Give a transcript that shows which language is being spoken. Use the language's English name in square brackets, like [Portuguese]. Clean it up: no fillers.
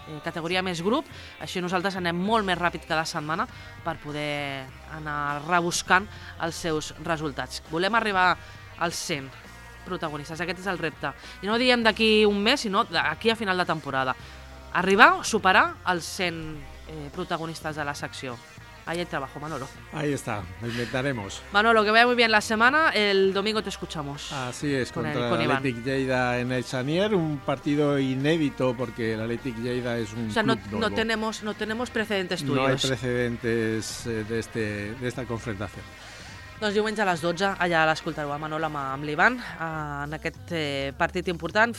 [Catalan] Categoria més grup, així nosaltres anem molt més ràpid cada setmana per poder anar rebuscant els seus resultats. Volem arribar als 100 protagonistes, aquest és el repte. I no diem d'aquí un mes, sinó d'aquí a final de temporada. Arribar, superar els 100 protagonistes de la secció. [Spanish] Ahí el trabajo, Manolo. Ahí está, lo inventaremos. Manolo, que vaya muy bien la semana. El domingo te escuchamos. Así es, contra el Athletic Lleida en el Xanier. Un partido inédito porque el Athletic Lleida es un club nuevo. O sea, no tenemos precedentes tuyos. No hay precedentes de esta confrontación. [Catalan] Doncs diumenge a les 12, allà l'escoltareu a Manolo amb l'Ivan, en aquest partit important.